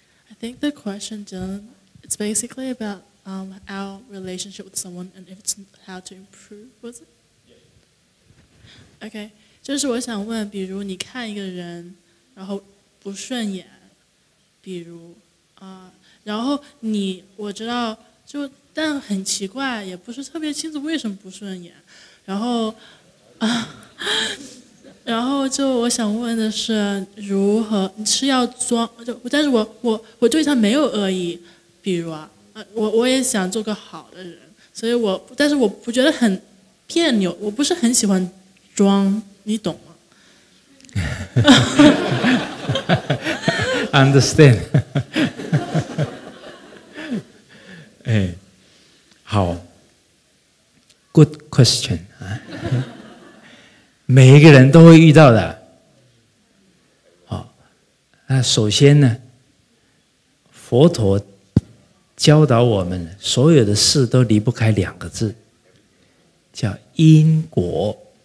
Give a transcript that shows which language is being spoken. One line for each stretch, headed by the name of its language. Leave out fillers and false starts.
English: I think the question, Dylan, it's basically about our relationship with someone and if it's how to improve, was it? Yeah.
Chinese: Okay, 就是我想问，比如你看一个人，然后不顺眼，比如啊，然后你，我知道，就但很奇怪，也不是特别清楚为什么不顺眼，然后然后就我想问的是，如何你是要装？就但是我对他没有恶意，比如啊，我也想做个好的人，所以我但是我不觉得很别扭，我不是很喜欢装，你懂吗
English: ？Understand？
Chinese: 哎，好 ，
English: Good question
Chinese: 啊。每一个人都会遇到的。好，那首先呢，佛陀教导我们，所有的事都离不开两个字，叫因果。